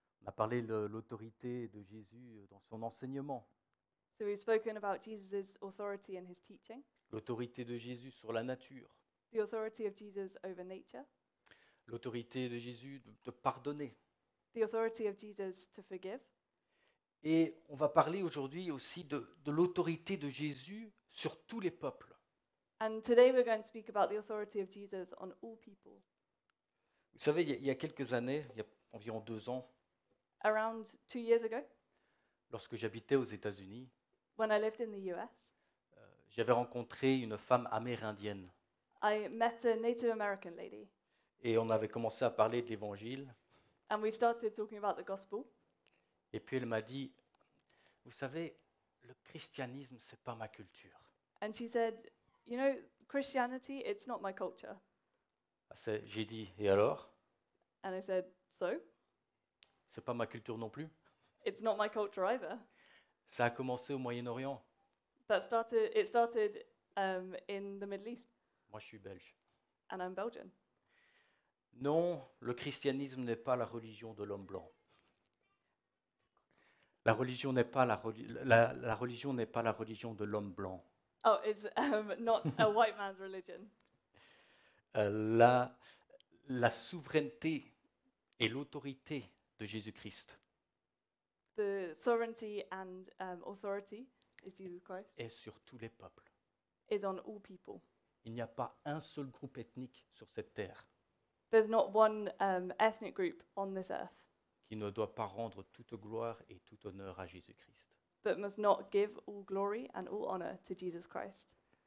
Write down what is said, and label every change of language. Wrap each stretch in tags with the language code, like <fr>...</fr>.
<fr>On a parlé de l'autorité de Jésus dans son enseignement.</fr> <en>So we've spoken about Jesus' authority in his teaching.</en> <fr>L'autorité de Jésus sur la nature.</fr> <en>The authority of Jesus over nature.</en> <fr>L'autorité de Jésus de pardonner.</fr> <en>The authority of Jesus to forgive.</en> <fr>Et on va parler aujourd'hui aussi de l'autorité de Jésus sur tous les peuples.</fr> <en>And today we're going to speak about the authority of Jesus on all people.</en> <fr>Vous savez, il y a quelques années, il y a environ 2 ans.</fr> <en>Around 2 years ago.</en> <fr>Lorsque j'habitais aux États-Unis.</fr> <en>When I lived in the US.</en> <fr>J'avais rencontré une femme amérindienne.</fr> <en>I met a Native American lady.</en> <fr>Et on avait commencé à parler de l'Évangile.</fr> <en>And we started talking about the gospel.</en> <fr>Et puis elle m'a dit, vous savez, le christianisme, c'est pas ma culture.</fr> <en>And she said, you know, Christianity, it's not my culture.</en> <fr>J'ai dit, et alors?</fr> <en>And I said, so?</en> <fr>C'est pas ma culture non plus.</fr> <en>It's not my culture either.</en> <fr>Ça a commencé au Moyen-Orient.</fr> <en>It started in the Middle East.</en> <fr>Moi, je suis belge.</fr> <en>And I'm Belgian.</en> <fr>Non, le christianisme n'est pas la religion de l'homme blanc. La religion n'est pas la religion de l'homme blanc.</fr> <en>Oh, it's not a white man's religion.</en> <fr>La souveraineté et l'autorité de Jésus-Christ.</fr> <en>The sovereignty and authority is Jesus Christ.</en> <fr>Est sur tous les peuples.</fr> <en>Is on all people.</en> <fr>Il n'y a pas un seul groupe ethnique sur cette terre.</fr> <en>There's not one ethnic group on this earth.</en> <fr>Qui ne doit pas rendre toute gloire et tout honneur à Jésus-Christ.</fr> <en>That must not give all glory and all honor to Jesus Christ.</en>